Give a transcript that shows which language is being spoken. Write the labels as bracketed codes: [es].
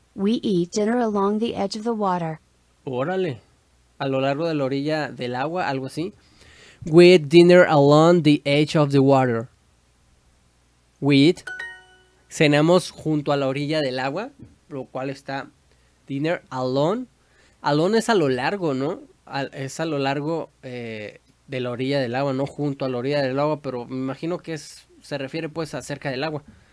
[en] We eat dinner along the edge of the water. [es] Órale. A lo largo de la orilla del agua, algo así. [en] We eat dinner along the edge of the water. We eat. [es] Cenamos junto a la orilla del agua, lo cual está [en] dinner alone. [es] Alone es a lo largo, ¿no? Es a lo largo de la orilla del agua, no junto a la orilla del agua, pero me imagino que es, se refiere pues a cerca del agua.